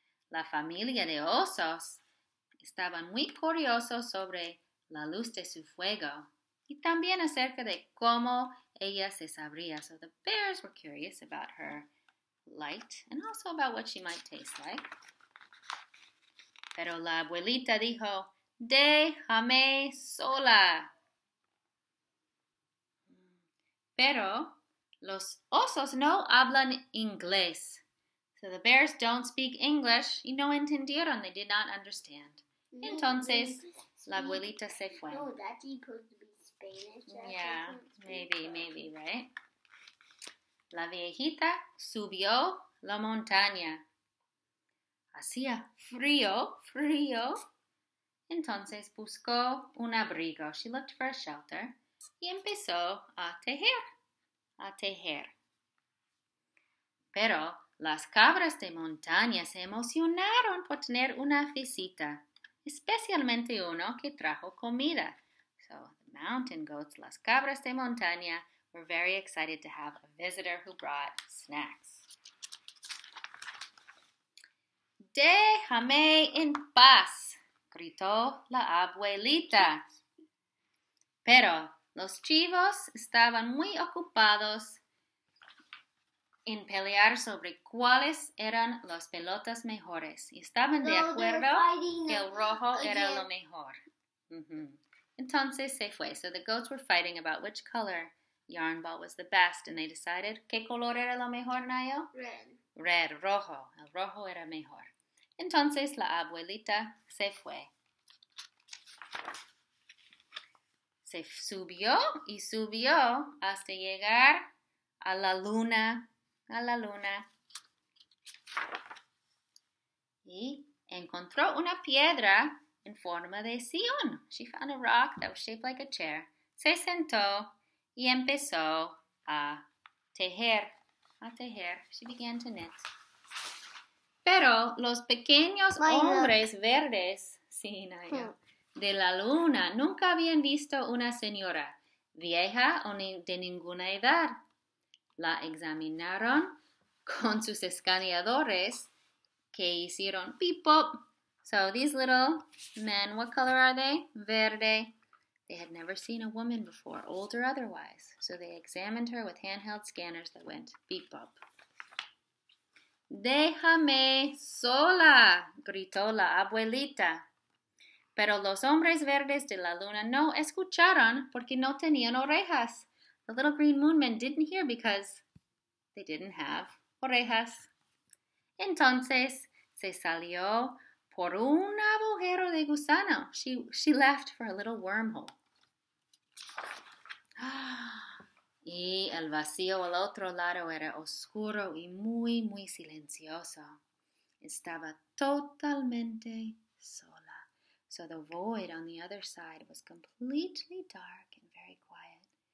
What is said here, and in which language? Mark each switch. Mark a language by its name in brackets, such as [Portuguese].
[Spanish] La familia de osos estaban muy curiosos sobre la luz de su fuego y también acerca de cómo ella se sabría. [English] So the bears were curious about her light and also about what she might taste like. [Spanish] Pero la abuelita dijo, déjame sola. Pero los osos no hablan inglés. [English] So the bears don't speak English [Spanish] y no entendieron. [English] They did not understand. [Spanish] Entonces, la abuelita se fue. [English] Oh, that's equal to be Spanish. Yeah, maybe, right? [Spanish] La viejita subió la montaña. Hacía frío. Entonces buscó un abrigo. [English] She looked for a shelter. [Spanish] Y empezó a tejer. Pero las cabras de montaña se emocionaron por tener una visita, especialmente uno que trajo comida. [English] So the mountain goats, [Spanish] las cabras de montaña, [English] were very excited to have a visitor who brought snacks. [Spanish] Déjame en paz, gritó la abuelita. Pero los chivos estaban muy ocupados en pelear sobre cuáles eran las pelotas mejores. Y estaban no, de acuerdo [English] fighting. [Spanish] Que el rojo era lo mejor. Mm-hmm. Entonces se fue. [English] So the goats were fighting about which color yarn ball was the best. And they decided, [Spanish] ¿qué color era lo mejor, Nayo? [English] Red, [Spanish] rojo. El rojo era mejor. Entonces la abuelita se fue. Se subió y subió hasta llegar a la luna. Y encontró una piedra en forma de sillón. [English] She found a rock that was shaped like a chair. [Spanish] Se sentó y empezó a tejer. [English] She began to knit. [Spanish] Pero los pequeños hombres verdes, sí, Naya, de la luna nunca habían visto una señora vieja o de ninguna edad. La examinaron con sus escaneadores que hicieron pip pop. [English] So these little men, what color are they? Verde. They had never seen a woman before, old or otherwise. So they examined her with handheld scanners that went pip pop. [Spanish] Déjame sola, gritó la abuelita. Pero los hombres verdes de la luna no escucharon porque no tenían orejas. [English] The little green moon men didn't hear because they didn't have orejas. [Spanish] Entonces, se salió por un agujero de gusano. [English] She left for a little wormhole. [Spanish] Y el vacío al otro lado era oscuro y muy, muy silencioso. Estaba totalmente sola. [English] So the void on the other side was completely dark and very quiet.